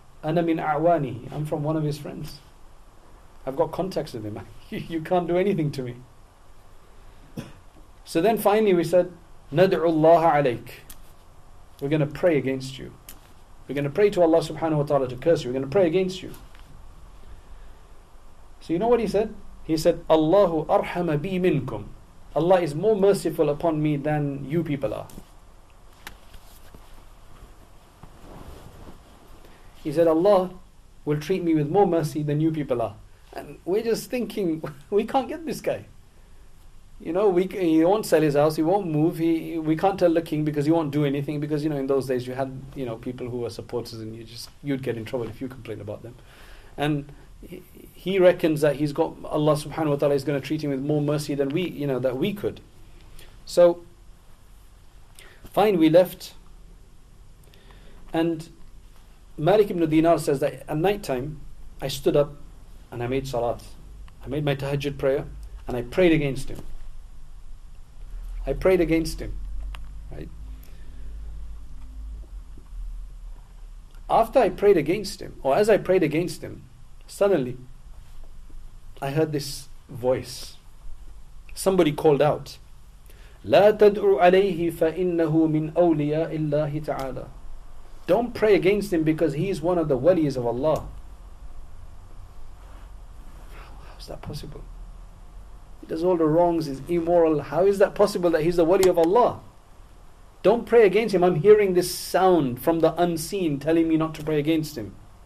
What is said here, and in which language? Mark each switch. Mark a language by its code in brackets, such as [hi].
[ar] "Ana min a'wani." [en] I'm from one of his friends. I've got contacts with him. You can't do anything to me. So then finally we said, [ar] نَدْعُ اللَّهَ عَلَيْكَ. [en] We're going to pray against you. We're going to pray to Allah subhanahu wa ta'ala to curse you. We're going to pray against you. So you know what he said? He said, [ar] اللَّهُ أَرْحَمَ بِي مِنْكُمْ. [en] Allah is more merciful upon me than you people are. He said, Allah will treat me with more mercy than you people are. And we're just thinking, we can't get this guy. He won't sell his house, he won't move, we can't tell the king because he won't do anything, because in those days you had people who were supporters, and you'd get in trouble if you complained about them. And he reckons that he's got Allah subhanahu wa ta'ala is going to treat him with more mercy than we, that we could. So fine, we left. And Malik ibn Dinar says that at night time I stood up and I made salat. I made my tahajjud prayer and I prayed against him. I prayed against him. Right? After I prayed against him, or as I prayed against him, suddenly I heard this voice. Somebody called out, [ar] لا تدعو عليه فإنه من أولياء الله تعالى. [en] Don't pray against him because he is one of the walis of Allah. Is that possible? He does all the wrongs, he's immoral. How is that possible that he's the wali of Allah? Don't pray against him. I'm hearing this sound from the unseen telling me not to pray against him.